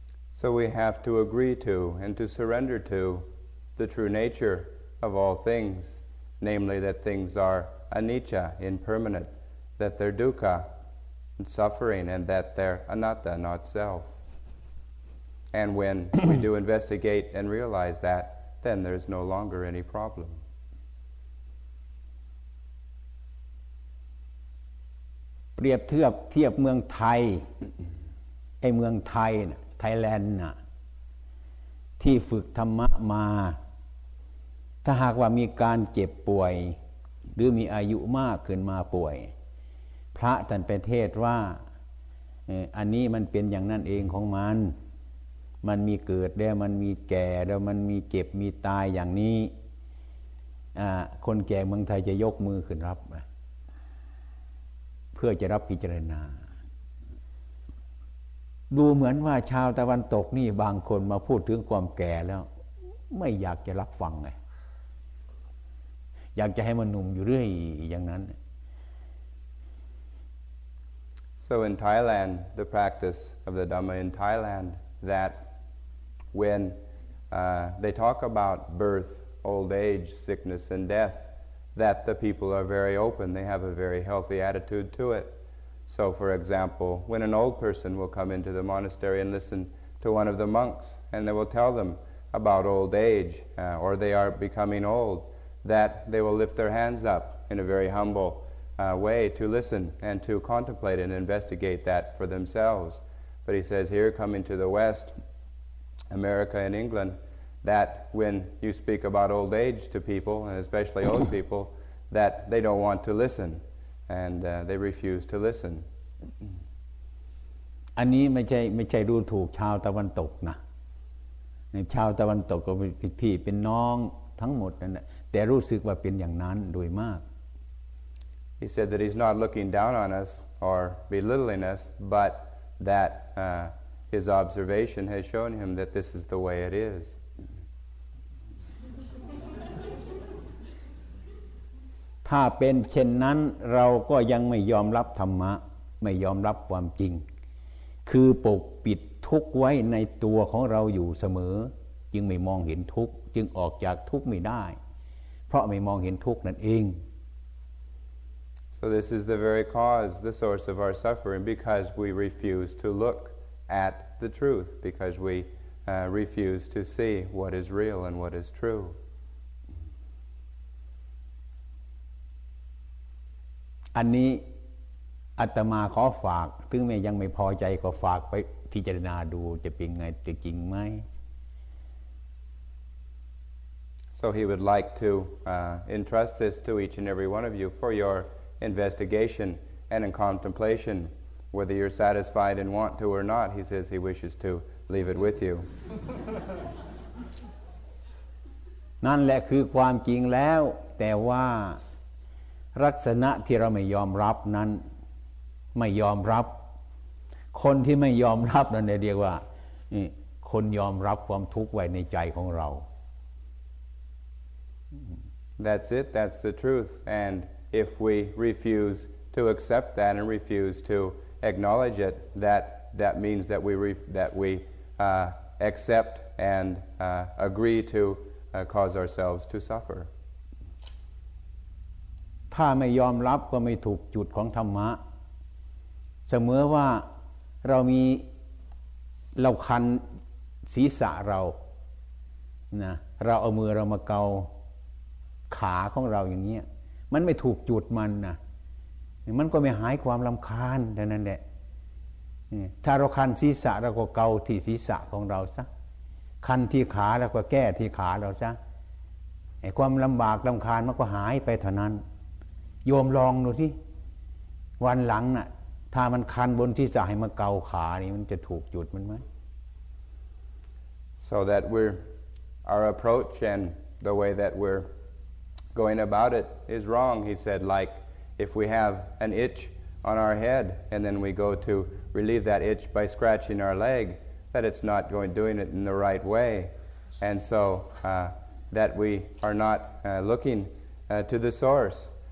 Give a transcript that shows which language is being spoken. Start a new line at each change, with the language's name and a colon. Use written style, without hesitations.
English: So we have to agree to and to surrender to the true nature of all things namely that things are anicca impermanent that they're dukkha and suffering and that they're anatta not self and when we do investigate and realize that then there's no longer any problem
Thai: เปรียบเทียบเมืองไทยไอ้เมืองไทยน่ะไทยแลนด์น่ะที่ฝึกธรรมะมาถ้าหากว่ามีการเจ็บป่วยหรือมีอายุมากขึ้นมาป่วยพระท่านไปเทศว่า อันนี้มันเป็นอย่างนั้นเองของมันมีเกิดแล้วมันมีแก่แล้วมันมีเก็บมีตายอย่างนี้คนแก่เมืองไทยจะยกมือขึ้นรับเพื่อจะรับพิจารณา ดูเหมือนว่าชาวตะวันตกนี่บางคนมาพูดถึงความแก่แล้วไม่อยากจะรับฟังไงอยากจะให้มันหนุ่มอยู่เรื่อยอย่างนั้น
English: So in Thailand the practice of the Dhamma in Thailand that when they talk about birth old age sickness and death that the people are very open they have a very healthy attitude to it so for example when an old person will come into the monastery and listen to one of the monks and they will tell them about old age or they are becoming oldthat they will lift their hands up in a very humble way to listen and to contemplate and investigate that for themselves. But he says, here coming to the West, America and England, that when you speak about old age to people, and especially old people, that they don't want to listen and they refuse to listen.
Thai: อันนี้ไม่ใช่ดูถูกชาวตะวันตกนะชาวตะวันตกก็เป็นพี่เป็นน้องทั้งหมดนั่นแหละแต่รู้สึกว่าเป็นอย่างนั้นโดยมาก
English: He said that he's not looking down on us or belittling us but that his observation has shown him that this is the way it is
Thai: ถ้าเป็นเช่นนั้นเราก็ยังไม่ยอมรับธรรมะไม่ยอมรับความจริงคือปกปิดทุกข์ไว้ในตัวของเราอยู่เสมอจึงไม่มองเห็นทุกข์จึงออกจากทุกข์ไม่ได้เพราะไม่มองเห็นทุกข์นั่นเอง
English: So this is the very cause the source of our suffering because we refuse to look at the truth because we refuse to see what is real and what is true
Thai: อันนี้อาตมาขอฝากถึงแม้ยังไม่พอใจก็ฝากไปพิจารณาดูจะเป็นไงจะจริงไหม
English: So he would like to entrust this to each and every one of you for your investigation and in contemplation, whether you're satisfied and want to or not. He says he wishes to leave it with you.
Thai: นั่นแหละคือความจริงแล้วแต่ว่าลักษณะที่เราไม่ยอมรับนั้นไม่ยอมรับ คนที่ไม่ยอมรับนั่นเรียกว่าคนยอมรับความทุกข์ไว้ในใจของเรา
English: That's it. That's the truth. And if we refuse to accept that and refuse to acknowledge it, that means that we accept and agree to cause ourselves to suffer.
Thai: ถ้าไม่ยอมรับก็ไม่ถูกจุดของธรรมะเสมอว่าเรามีเราคันศีรษะเรานะเราเอามือเรามาเกาขาของเราอย่างเงี้ยมันไม่ถูกจุดมันนะมันก็ไม่หายความรำคาญแต่นั่นแหละ ถ้าเราคันศีรษะเราก็เกาที่ศีรษะของเราซะคันที่ขาเราก็แก้ที่ขาเราซะไอ้ความลำบากรำคาญมันก็หายไปเท่านั้นโยมลองดูสิวันหลังน่ะถ้ามันคันบนที่จะให้มาเกาขานี่มันจะถูกจุดมันไหม
English: So that our approach and the way that we're going about it is wrong, he said. Like if we have an itch on our head and then we go to relieve that itch by scratching our leg, that it's not doing it in the right way, and so that we are not looking to the source.